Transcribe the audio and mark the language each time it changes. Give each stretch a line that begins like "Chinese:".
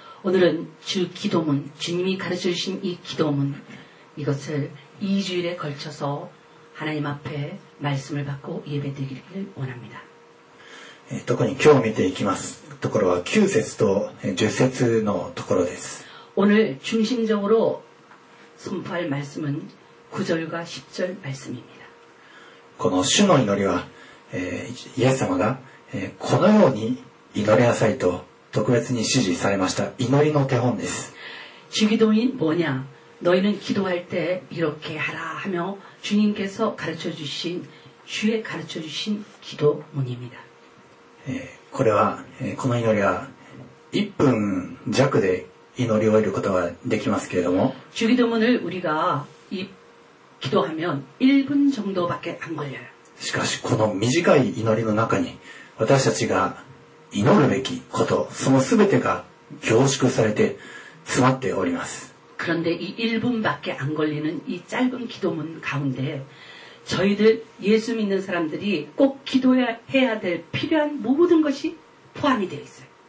Korean: 오늘은주기도문주님이가르쳐주신이기도문이것을2주일에걸쳐서하나님앞에말씀을받고예배드리기를원합니다
Japanese: 特に今日見ていきますところは9節と10節のところです。
Korean: 오늘중심적으로선포할말씀은9절과10절말씀입니다
Japanese: この主の祈りは、イエス様が、このように祈りなさいと特別に指示されました祈りの手本です。
Korean: 지기도인 뭐냐? 너희는 기도할 때 이렇게 하라 하며 주님께서 가르쳐 주신 주에 가르쳐 주신 기도문입니다.
Japanese: これはこの祈りは1分弱で祈り終えることができますけれども
Korean: 주기도문을 우리가 기도하면 1분 정도밖에 안 걸려요.
Japanese: しかしこの短い祈りの中に私たちが祈るべきことその全てが凝縮されて詰まっております。
Korean: 그런데 이 1분밖에 안 걸리는 이 짧은 기도문 가운데 저희들 예수 믿는 사람들이 꼭 기도해야 될 필요한 모든 것이 포함이 되어 있어요.